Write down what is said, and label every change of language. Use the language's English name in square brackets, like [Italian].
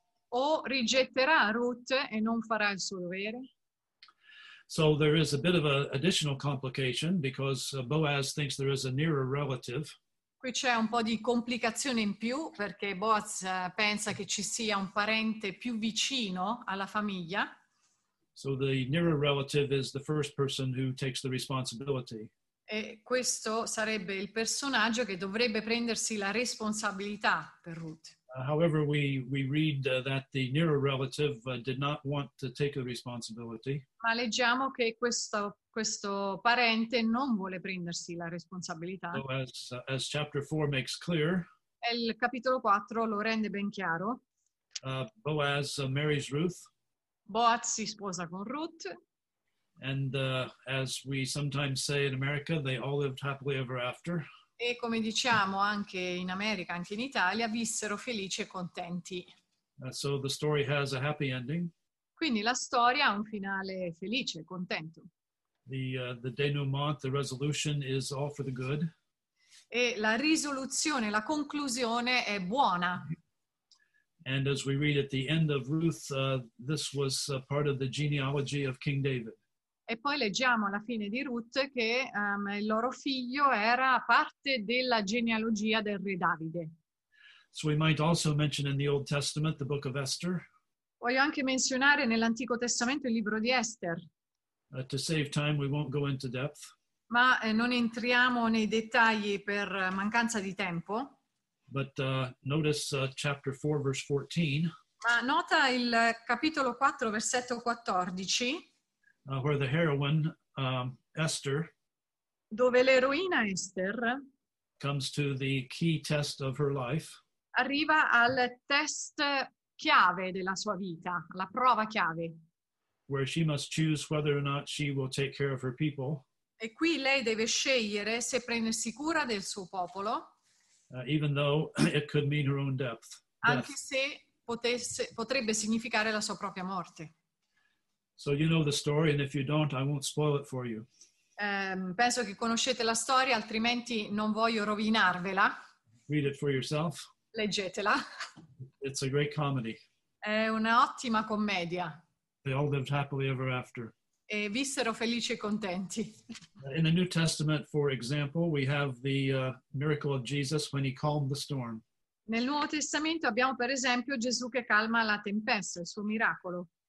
[Italian] O rigetterà Ruth e non farà il suo dovere? [English] So there is a bit of an additional complication because Boaz thinks there is a nearer relative. [Italian] Qui c'è un po' di complicazione in più perché Boaz pensa che ci sia un parente più vicino alla famiglia. [English] So the nearer relative is the first person who takes the responsibility. [Italian] E questo sarebbe il personaggio che dovrebbe prendersi la responsabilità per Ruth. [English] However, we read that the nearer relative did not want to take the responsibility. [Italian] Ma leggiamo che questo parente non vuole prendersi la responsabilità. [English] So as chapter 4 makes clear, [Italian] il capitolo 4 lo rende ben chiaro. [English] Boaz marries Ruth. [Italian] Boaz si sposa con Ruth. [English] And as we sometimes say in America, they all lived happily ever after. [Italian] E come diciamo anche in America, anche in Italia, vissero felici e contenti. [English] So the story has a happy ending. [Italian] Quindi la storia ha un finale felice e contento. [English] The denouement, the resolution is all for the good. [Italian] E la risoluzione, la conclusione è buona. [English] And as we read at the end of Ruth, this was part of the genealogy of King David. [Italian] E poi leggiamo alla fine di Ruth che il loro figlio era parte della genealogia del re Davide. [English] So we might also mention in the Old Testament the book of Esther. [Italian] Voglio anche menzionare nell'Antico Testamento il libro di Esther. [English] To save time, we won't go into depth. [Italian] Ma non entriamo nei dettagli per mancanza di tempo. [English] But notice chapter 4, verse 14. [Italian] Ma nota il capitolo 4, versetto 14. [English] Where the heroine, Esther, [Italian] dove l'eroina Esther [English] comes to the key test of her life, [Italian] arriva al test chiave della sua vita, la prova chiave, [English] where she must choose whether or not she will take care of her people, [Italian] e qui lei deve scegliere se prendersi cura del suo popolo, [English] even though it could mean her own death, [Italian] anche se potrebbe significare la sua propria morte. [English] So you know the story, and if you don't, I won't spoil it for you. [Italian] Penso che conoscete la storia, altrimenti non voglio rovinarvela. [English] Read it for yourself. [Italian] Leggetela. [English] It's a great comedy. [Italian] È una ottima commedia. [English] They all lived happily ever after. [Italian] E vissero felici e contenti. [English] In the New Testament, for example, we have the miracle of Jesus when he calmed the storm. [Italian] Nel Nuovo Testamento abbiamo, per esempio, Gesù che calma la tempesta, il suo miracolo.